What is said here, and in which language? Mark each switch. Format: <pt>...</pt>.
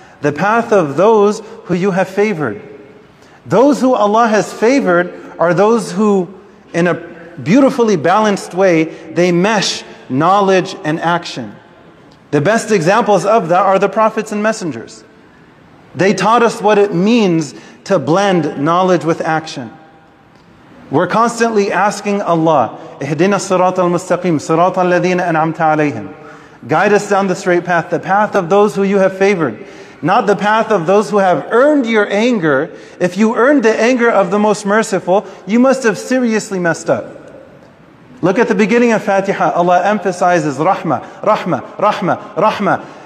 <en>The path of those who You have favored. Those who Allah has favored are those who, in a beautifully balanced way, they mesh knowledge and action. The best examples of that are the prophets and messengers. They taught us what it means to blend knowledge with action. We're constantly asking Allah,</en> <ar>اِهْدِنَا الصِّرَاطَ الْمُسْتَقِيمِ صِرَاطَ الَّذِينَ أَنْعَمْتَ عَلَيْهِمْ.</ar> <en>Guide us down the straight path, the path of those who You have favored, not the path of those who have earned Your anger. If you earned the anger of the Most Merciful, you must have seriously messed up. Look at the beginning of Fatiha. Allah emphasizes rahmah, rahmah, rahmah, rahmah.</en>